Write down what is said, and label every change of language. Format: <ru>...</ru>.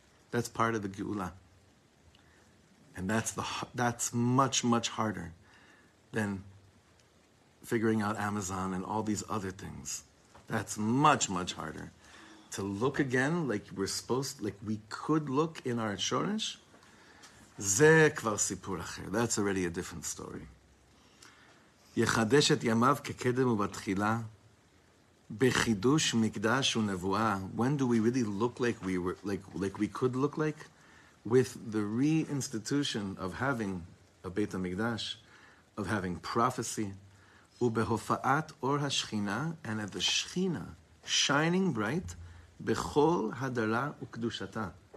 <en>That's part of the geula. And that's much, much harder than figuring out Amazon and all these other things. That's much, much harder. To look again like we could look in our shorish.</en> <he>Ze kvar sipur acher.</he> <en>That's already a different story.</en> <he>יחדש את ימיו כקדם ובתחילה, בחידוש מקדש ונבואה.</he> <en>When do we really look like we were, like we could look like? With the reinstitution of having a Beit HaMikdash, of having prophecy,</en> <he>ובהופעת אור השכינה,</he> <en>and at the Shechina, shining bright,</en> <he>בכל הדרה וקדושתה.</he>